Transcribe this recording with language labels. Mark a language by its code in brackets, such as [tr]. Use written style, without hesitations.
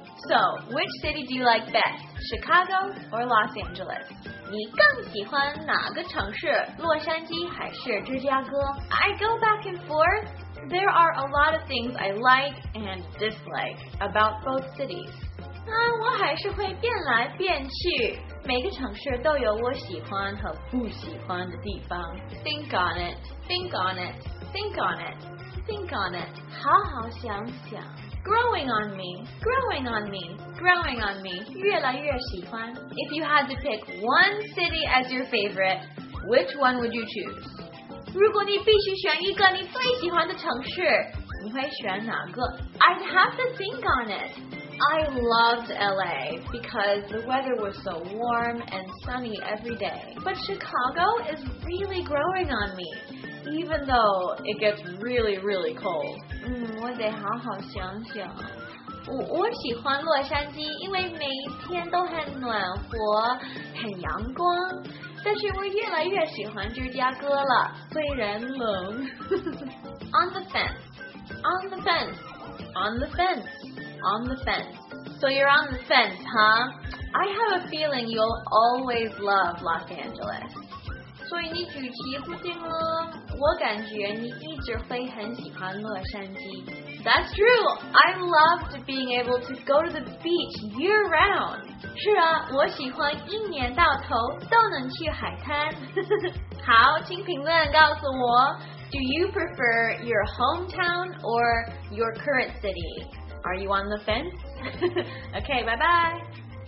[en] So, which city do you like best, Chicago or Los Angeles? [zh] 你更喜欢哪个城市，洛杉矶还是芝加哥？ [en] I go back and forth. There are a lot of things I like and dislike about both cities. [zh] 我还是会变来变去。每个城市都有我喜欢和不喜欢的地方。 [en] Think on it, think on it, think on it, think on it. [zh] 好好想想。 [en] Growing on me, growing on me, growing on me, [zh] 越来越喜欢。 [en] If you had to pick one city as your favorite, which one would you choose? [zh] 如果你必须选一个你最喜欢的城市，你会选哪个？ [en] I'd have to think on it. I loved LA because the weather was so warm and sunny every day. But Chicago is really growing on me. Even though it gets really, really cold. [zh] 我得好好想想。我喜欢洛杉矶，因为每天都很暖和，很阳光。但是我越来越喜欢芝加哥了，虽然冷。 [en] On the fence, on the fence, on the fence, on the fence. So you're on the fence, huh? I have a feeling you'll always love Los Angeles. [zh] 所以你举棋不定了，我感觉你一直会很喜欢洛杉矶。 [en] That's true. I loved being able to go to the beach year round. [zh] 是啊，我喜欢一年到头都能去海滩。好，请评论告诉我 [en] ，Do you prefer your hometown or your current city? Are you on the fence? Okay, bye bye.